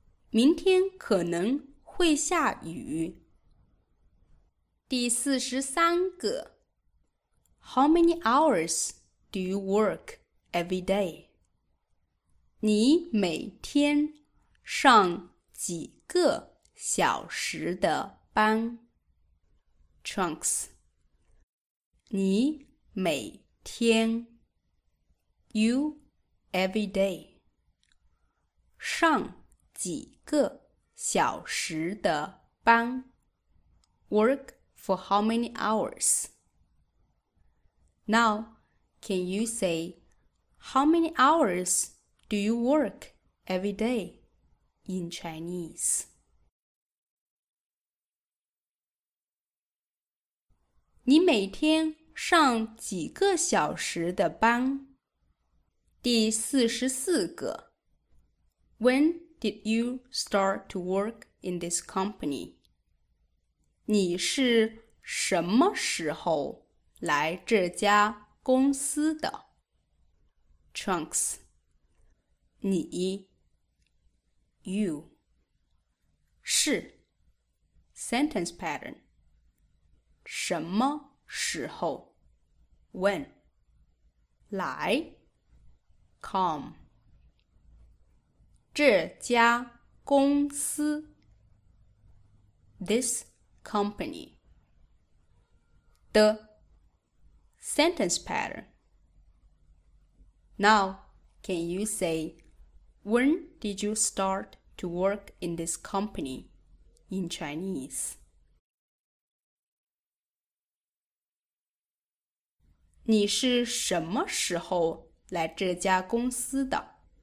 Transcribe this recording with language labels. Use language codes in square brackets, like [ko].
[zh] 明天可能会下雨。第四十三个 [en] How many hours do you work every day? [zh] 你每天上几个小时的班? [en] Trunks. [zh] 你每天 [en] You every day. [zh] 上几个小时的班? [en] Work for how many hours? Now, can you say how many hours? Do you work every day in Chinese? [zh] 你每天上几个小时的班? 第四十四个 [en] When did you start to work in this company? [zh] 你是什么时候来这家公司的? [en] Trunks. [zh] 你 [en] you [zh] 是 [en] sentence pattern [zh] 什么时候 [en] when [zh] 来 com。 这家公司 [en] This company [zh] 的 [en] Sentence pattern。 Now, can you say, when did you start to work in this company in Chinese? [zh] 你是什么时候来这家公司的？